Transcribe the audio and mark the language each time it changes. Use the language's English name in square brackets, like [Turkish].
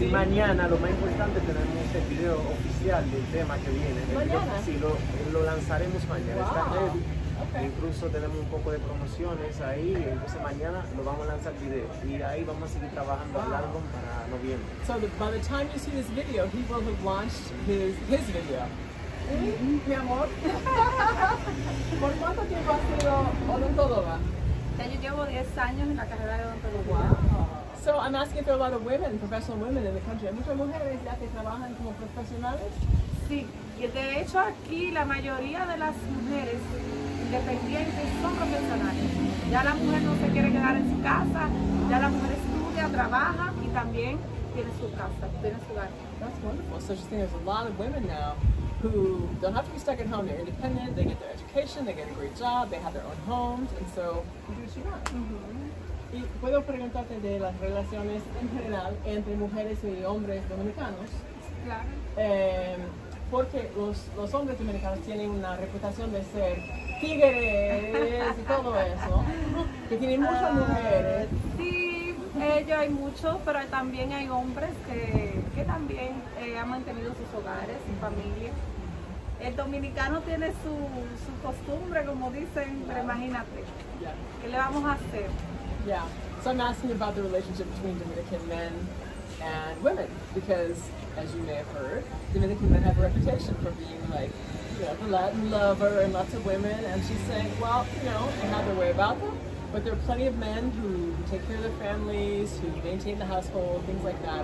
[Spanish] Y mañana lo más importante tenemos el video oficial del tema que viene. Mañana. Sí, lo lanzaremos mañana. [English] Wow. [Spanish] Está ready. [English] Okay. [Spanish] Incluso tenemos un poco de promociones ahí. Entonces mañana lo vamos a lanzar el video. Y ahí vamos a seguir trabajando el álbum para noviembre. [English] So by the time you see this video, he will have launched his video. [Spanish] Mi amor. ¿Por cuánto tiempo ha sido odontóloga? Yo llevo 10 años en la carrera de [English] odontología. Wow. So I'm asking for a lot of women, professional women in the country. [Spanish] ¿Hay muchas mujeres ya que trabajan como profesionales? Sí, y de hecho aquí la mayoría de las mujeres independientes son profesionales. Ya la mujer no se quiere quedar en su casa, ya la mujer estudia, trabaja y también tiene su casa, tiene su hogar. [English] That's wonderful. So she's saying there's a lot of women now who don't have to be stuck at home, they're independent, they get their education, they get a great job, they have their own homes, and so, do what she wants. Mm-hmm. [Spanish] ¿Y puedo preguntarte de las relaciones en general entre mujeres y hombres dominicanos? Claro. Porque los hombres dominicanos tienen una reputación de ser tigres y todo eso, que tienen muchas mujeres. Sí, ellos hay muchos, pero también hay hombres que también han mantenido sus hogares, su familia. El dominicano tiene su costumbre, como dicen, pero imagínate, ¿qué le vamos a hacer? [English] Yeah, so I'm asking about the relationship between Dominican men and women, because, as you may have heard, Dominican men have a reputation for being like, you know, the Latin lover and lots of women, and she's saying, well, you know, they have their way about them. But there are plenty of men who take care of their families, who maintain the household, things like that.